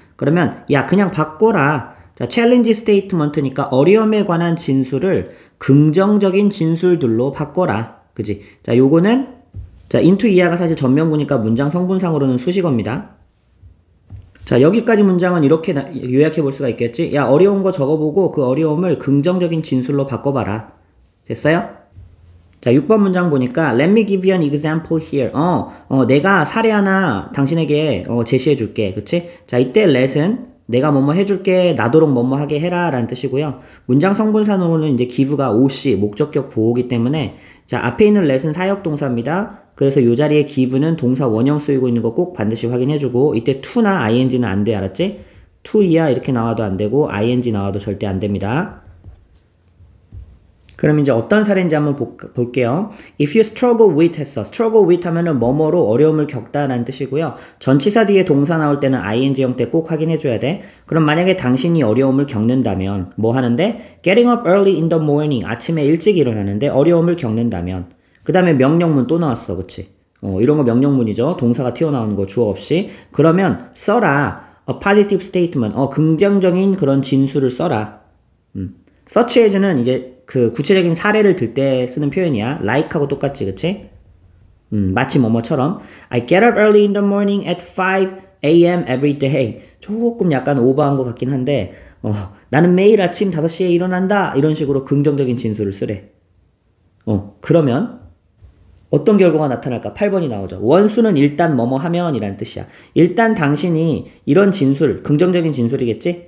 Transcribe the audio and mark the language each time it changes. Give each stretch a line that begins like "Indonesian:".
Korean: 그러면 야 그냥 바꿔라. 자, challenge statement니까 어려움에 관한 진술을 긍정적인 진술들로 바꿔라. 그지? 자, 요거는 자 into 이하가 사실 전명구니까 문장 성분상으로는 수식어입니다. 자, 여기까지 문장은 이렇게 요약해 볼 수가 있겠지? 야, 어려운 거 적어보고 그 어려움을 긍정적인 진술로 바꿔봐라. 됐어요? 자, 6번 문장 보니까
English: Let me give you an example here.
Korean: 내가 사례 하나 당신에게 제시해 줄게. 그치? 자, 이때 let은 내가 뭐뭐 해줄게, 나도록 뭐뭐 하게 해라 라는 뜻이고요. 문장 성분상으로는 이제 give가 OC, 목적격 보호기 때문에 자, 앞에 있는 let은 사역 동사입니다. 그래서 이 자리에 give는 동사 원형 쓰이고 있는 거꼭 반드시 확인해 주고 이때 to나 ing는 안 돼, 알았지? to 이하 이렇게 나와도 안 되고 ing 나와도 절대 안 됩니다. 그럼 이제 어떤 사례인지 한번 볼게요.
English: If you struggle with
Korean: 했어. struggle with 하면은 뭐뭐로 어려움을 겪다라는 뜻이고요. 전치사 뒤에 동사 나올 때는 ing 형태 꼭 확인해 줘야 돼. 그럼 만약에 당신이 어려움을 겪는다면 뭐 하는데?
English: Getting up early in the morning.
Korean: 아침에 일찍 일어나는데 어려움을 겪는다면. 그다음에 명령문 또 나왔어. 그치? 이런 거 명령문이죠. 동사가 튀어나오는 거 주어 없이. 그러면 써라.
English: A positive statement.
Korean: 긍정적인 그런 진술을 써라. Such as는 이제 그 구체적인 사례를 들때 쓰는 표현이야. like하고 똑같지, 그치? 마치 뭐뭐처럼
English: I get up early in the morning at 5 a.m. every day.
Korean: 조금 약간 오버한 것 같긴 한데 나는 매일 아침 5시에 일어난다. 이런 식으로 긍정적인 진술을 쓰래. 그러면 어떤 결과가 나타날까? 8번이 나오죠. 원수는 일단 뭐뭐 하면 이라는 뜻이야. 일단 당신이 이런 진술, 긍정적인 진술이겠지?